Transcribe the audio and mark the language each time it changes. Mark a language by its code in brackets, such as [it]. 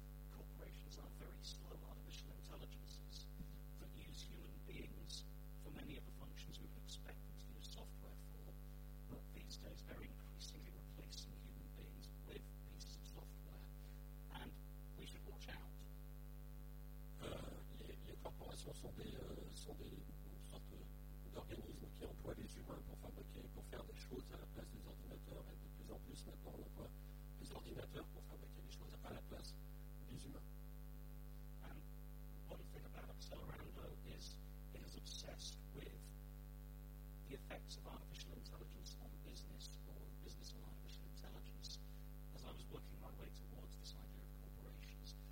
[en] Corporations are very slow artificial intelligences that use human beings for many of the functions we would expect them to use software for, but these days they're increasingly replacing human beings with pieces of software, and we should watch out. [fr] Les corporations sont des sortes d'organismes qui emploient les humains pour fabriquer, pour faire des choses à la place des ordinateurs, et de plus en plus maintenant on emploie des ordinateurs pour fabriquer des choses à la place. [en] And one thing about Accelerando is it is obsessed with the effects of artificial intelligence on business, or business on artificial intelligence, as I was working my way towards this idea of corporations.